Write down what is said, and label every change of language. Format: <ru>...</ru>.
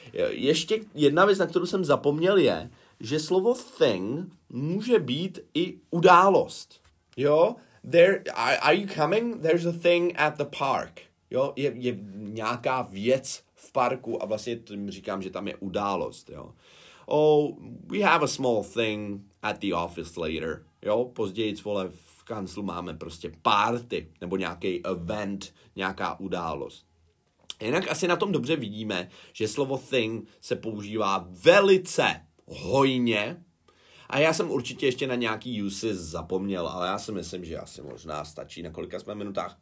<cs>Ještě jedna věc, na kterou jsem zapomněl, je, že slovo thing může být i událost, jo.</cs> <en>Are you coming? There's a thing at the park.</en> <cs>Jo, je nějaká věc v parku a vlastně tím říkám, že tam je událost, jo.</cs> <en>Oh, we have a small thing at the office later.</en> <cs>Jo, později, vole, v kanclu máme prostě party nebo nějaký event, nějaká událost. Jinak asi na tom dobře vidíme, že slovo thing se používá velice hojně. A já jsem určitě ještě na nějaký uses zapomněl, ale já si myslím, že asi možná stačí, na kolika jsme minutách.</cs>